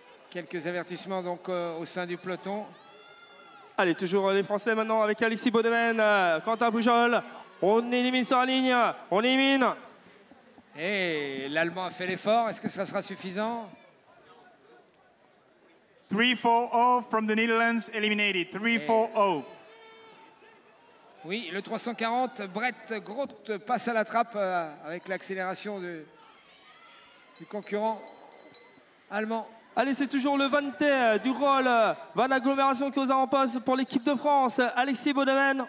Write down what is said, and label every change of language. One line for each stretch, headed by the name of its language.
French: Quelques avertissements donc au sein du peloton. Allez, toujours les Français maintenant avec Alexis Bonneven, Quentin Pujol. On élimine sur la ligne, on élimine. Et l'Allemand a fait l'effort, est-ce que ça sera suffisant?
English: 3-4-0 from the Netherlands eliminated, 3-4-0.
French: Oui, le 340, Brett Groot passe à la trappe avec l'accélération du concurrent allemand. Allez, c'est toujours le Van Tee du Roll, Van Agglomération qui est aux avant-postes pour l'équipe de France, Alexis Bonneven.